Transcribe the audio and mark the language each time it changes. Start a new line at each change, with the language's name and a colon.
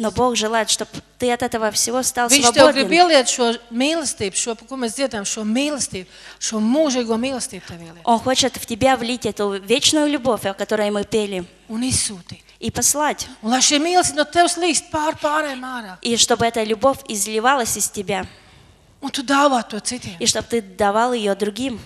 Russian: Но Бог желает, чтобы ты от этого всего стал
Latvian: Viņš
Russian: свободен.
Latvian: Viņš tev grib ieliet šo mīlestību, šo, ko mēs dziedām, šo mīlestību, šo mūžīgo mīlestību tev ieliet.
Russian: Он хочет в тебя влить эту вечную любовь, о которой мы пели.
Latvian: Un izsūtīt.
Russian: И послать.
Latvian: Un lai šī mīlestība no tevs līst pār pārējām ārā.
Russian: И чтобы эта любовь изливалась из тебя.
Latvian: Un tu dāvā to citiem.
Russian: И чтобы ты давал ее другим.